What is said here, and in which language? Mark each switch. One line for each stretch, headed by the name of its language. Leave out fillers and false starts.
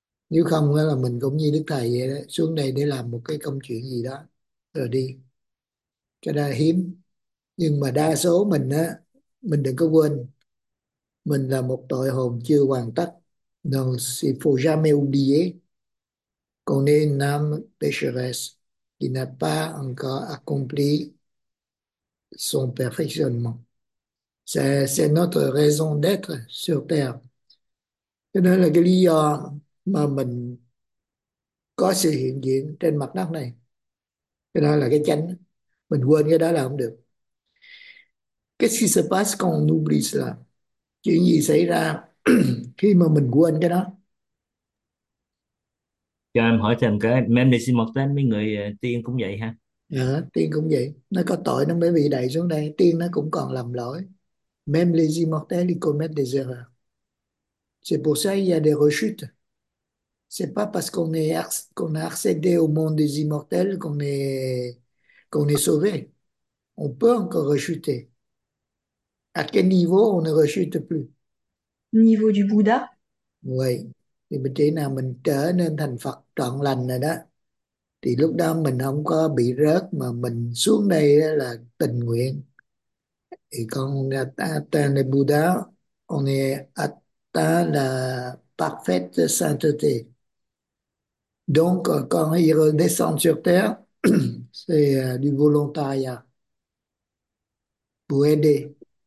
Vietnamese: Nếu không, là mình cũng như Đức Thầy vậy đó, xuống đây để làm một cái công chuyện gì đó, rồi đi. Cái đó hiếm. Nhưng mà đa số mình á, mình đừng có quên, mình là một tội hồn chưa hoàn tất.
French: Donc, il faut jamais oublier qu'on est une âme pécheresse qui n'a pas encore accompli son perfectionnement. C'est notre raison d'être sur Terre.
Vietnamese: Cho nên là cái lý do mà mình có sự hiện diện trên mặt đất này, cái đó là cái chánh. Mình quên cái đó là không được.
French: Qu'est-ce qui se passe quand on oublie cela?
Vietnamese: Chuyện gì xảy ra khi mà mình quên cái đó? Cho em hỏi thêm cái mem đi xin một tên mấy người tiên cũng vậy ha. Tiên cũng vậy, nó có tội nó mới bị đẩy xuống đây. Tiên nó cũng còn lầm lỗi.
French: Même les immortels commettent des erreurs. C'est pour ça qu'il y a des rechutes. C'est pas parce qu'on a accédé au monde des immortels qu'on est sauvé. On peut encore rechuter. À quel niveau on ne rechute plus? Niveau du Bouddha.
Vietnamese: Oui, thì mình chỉ nào mình trở nên thành Phật trọn lành rồi đó. Thì lúc đó mình không có bị rớt mà mình xuống đây là tình nguyện. Thì con
French: atteint le Bouddha, on est atteint la parfaite sainteté. Donc, quand ils redescendent sur Terre, c'est du volontariat pour aider.